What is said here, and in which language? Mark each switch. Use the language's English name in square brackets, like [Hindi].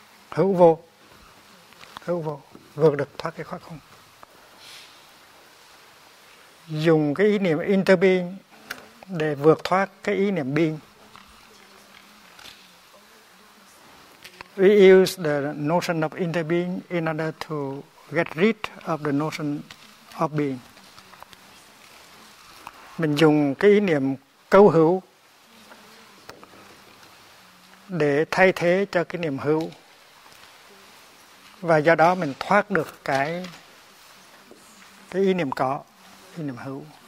[Vietnamese] Hữu vô, vượt được thoát cái khó không. Dùng cái ý niệm interbeing để vượt thoát cái ý niệm being. [English] We use the notion of interbeing in order to get rid of the notion of being. [Vietnamese] Mình dùng cái ý niệm câu hữu để thay thế cho cái niệm hữu. Và do đó mình thoát được cái ý niệm có, ý niệm hữu.